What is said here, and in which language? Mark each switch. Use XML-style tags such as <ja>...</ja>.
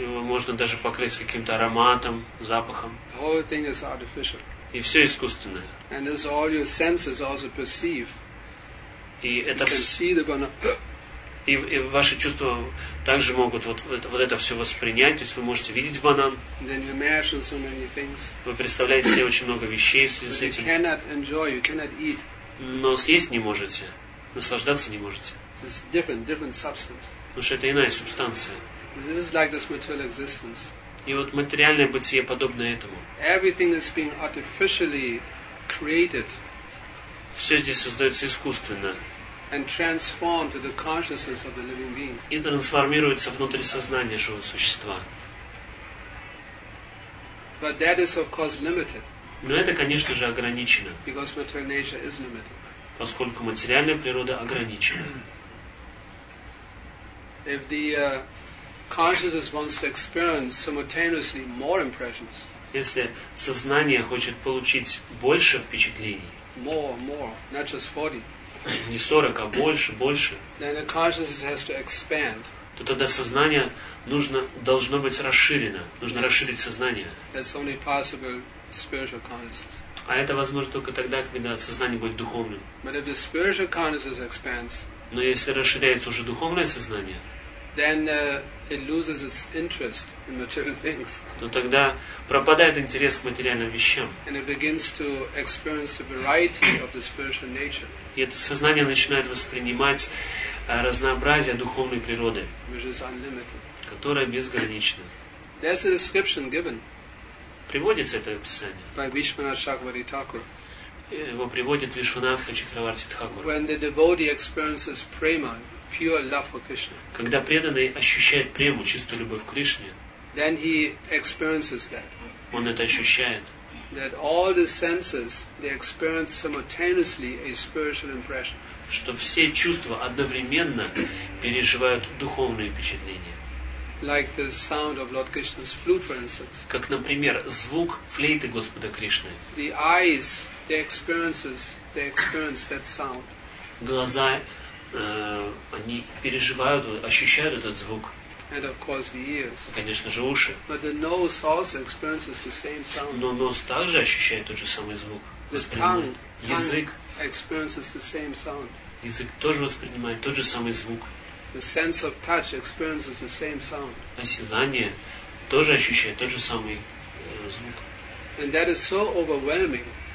<ru>Его можно даже покрыть каким-то ароматом, запахом.</ru> <en>The whole thing is artificial.</en> <ru>И все искусственное.</ru> <en>And as all your senses also perceive.</en> <ru>И это</ru> <en>you can see the banana.</en> <ru>И ваши чувства также могут вот это все воспринять, то есть вы можете видеть банан.</ru> <en>Then you imagine so many things.</en> <ru>Вы представляете себе очень много вещей в связи с этим.</ru> <en>You cannot enjoy, you cannot eat.</en> <ru>Но съесть не можете, наслаждаться не можете.</ru> <en>So it's different substance.</en> <ru>Потому что это иная субстанция.</ru> <en>This is like this material existence.</en> <ru>И вот материальное бытие подобно этому.</ru> <en>Everything is being artificially created.</en> <ru>Все здесь создается искусственно.</ru> <en>And transformed to the consciousness of the living being.</en> <ru>И трансформируется внутрь сознания живого существа.</ru> <en>But that is of course limited.</en> <ru>Но это, конечно же, ограничено.</ru> <en>Because material nature is limited.</en> <ru>Поскольку материальная природа ограничена.</ru> <en>If the consciousness wants to experience simultaneously more impressions.</en> <ru>Если сознание хочет получить больше впечатлений.</ru> <en>More, not just 40.</en> <ru>Не 40, а больше.</ru> <en>Then the consciousness has to expand.</en> <ru>То тогда сознание должно быть расширено. Нужно расширить сознание.</ru> <en>That's only possible spiritual consciousness.</en> <ru>А это возможно только тогда, когда сознание будет духовным.</ru> <en>But if the spiritual consciousness expands.</en> <ru>Но если расширяется уже духовное сознание.</ru> <en>Then it loses its interest in material things.</en> <ru>То тогда пропадает интерес к материальным вещам.</ru> <en>And it begins to experience the variety of the spiritual nature.</en> <ru>И это сознание начинает воспринимать разнообразие духовной природы, которая безгранична.</ru> <en>There's a description given.</en> <ru>Приводится это описание.</ru> <en>By Vishvanatha Chakravarti Thakur.</en> <ru>Его приводит Вишванатха Чакраварти Тхакур.</ru> <en>When the devotee experiences prema, pure love for Krishna.</en> <ru>Когда преданный ощущает прему, чистую любовь к Кришне.</ru> <en>Then he experiences that.</en> <ru>Он это ощущает.</ru> <en>That all the senses they experience simultaneously a spiritual impression.</en> <ru>Что все чувства одновременно переживают духовные впечатления.</ru> <en>Like the sound of Lord Krishna's flute, for instance.</en> <ru>Как, например, звук флейты Господа Кришны.</ru> <en>The eyes they experience that sound.</en> <ru>Глаза они переживают, ощущают этот звук.</ru> <en>And of course the ears.</en> <ru>Конечно же, уши.</ru> <en>But the nose also experiences the same sound.</en> <ru>Но нос также ощущает тот же самый звук.</ru> <en>The tongue.</en> <ru>Язык.</ru> <en>Experiences the same sound.</en> <ru>Язык тоже воспринимает тот же самый звук.</ru> <en>The sense of touch experiences the same sound.</en> <ru>Осязание тоже ощущает тот же самый звук.</ru> <en>And that is so overwhelming.</en>